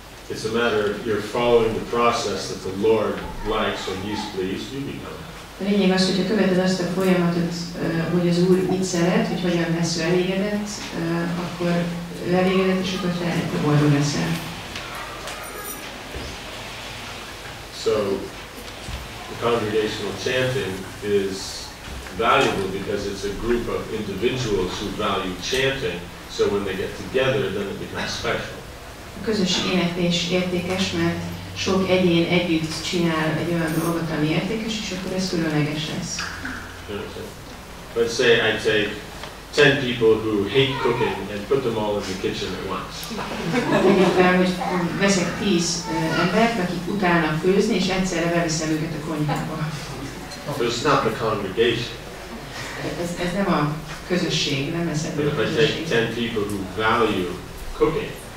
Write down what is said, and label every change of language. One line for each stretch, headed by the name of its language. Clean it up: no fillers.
English: It's a matter of you're following the process that the Lord likes when He's pleased, you become.
Hungarian: A lényeg az, hogyha követed azt a folyamatot, hogy az Úr mit szeret, hogy hogyan lesz ő elégedett, akkor ő elégedett, és akkor te boldog leszel.
English: So, the congregational chanting is valuable because it's a group of individuals who value chanting, so when they get together, then it becomes special.
Hungarian: A közösség éneklés értékes, mert sok egyén együtt csinál egy olyan dolgot, ami értékes, és akkor ez különleges lesz.
English: Okay. Let's say I take 10 people who hate cooking and put them all in the kitchen at once.
Hungarian: Tegyük fel, hogy veszek 10 embert, akik utálnak főzni, és egyszerre beviszem őket a konyhába.
English: So it's not the congregation.
Hungarian: Ez nem a közösség, nem veszem a közösség.
English: But if I take 10 people who value cooking,